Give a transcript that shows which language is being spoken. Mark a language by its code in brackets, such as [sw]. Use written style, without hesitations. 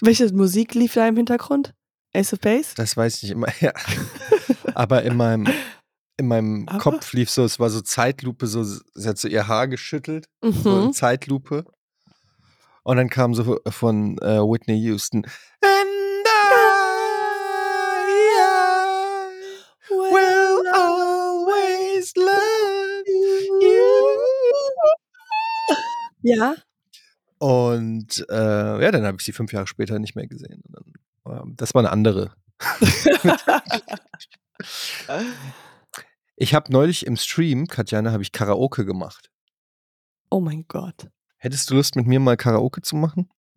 [de] Welche Musik lief da im Hintergrund? Ace of Base? Das weiß ich immer, ja. Aber in meinem Kopf lief so, es war so Zeitlupe, so, sie hat so ihr Haar geschüttelt, so in Zeitlupe. Und dann kam so von Whitney Houston. [en] And I will always love you. [de] Ja. Und ja, dann habe ich sie 5 Jahre später nicht mehr gesehen. Und dann, das war eine andere. Ich habe neulich im Stream, Katjana, habe ich Karaoke gemacht. Oh mein Gott. Hättest du Lust, mit mir mal Karaoke zu machen?